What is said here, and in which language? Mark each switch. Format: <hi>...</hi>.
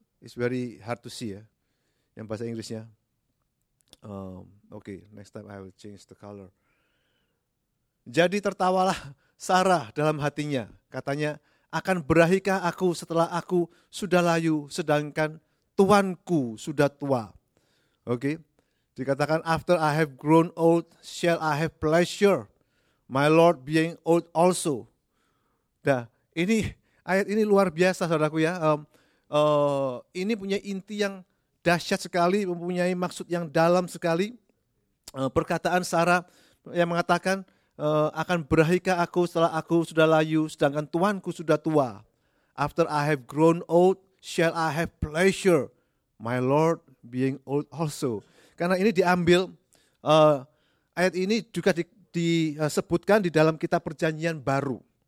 <en>It's very hard to see</en> <id>ya, yang bahasa Inggrisnya.</id> <en>Okay, next time I will change the color.</en> <id>Jadi tertawalah Sarah dalam hatinya, katanya, akan berahikah aku setelah aku sudah layu, sedangkan tuanku sudah tua.</id> <en>Okay,</en> <id>dikatakan,</id> <en>after I have grown old, shall I have pleasure, my Lord being old also.</en> <id>Nah, ini ayat ini luar biasa, saudaraku ya. Ini punya inti yang dahsyat sekali, mempunyai maksud yang dalam sekali. Perkataan Sarah yang mengatakan, akan berahikah aku setelah aku sudah layu, sedangkan tuanku sudah tua.</id> <en>After I have grown old, shall I have pleasure, my Lord being old also.</en> <id>Karena ini diambil, ayat ini juga disebutkan di dalam kitab perjanjian baru.</id>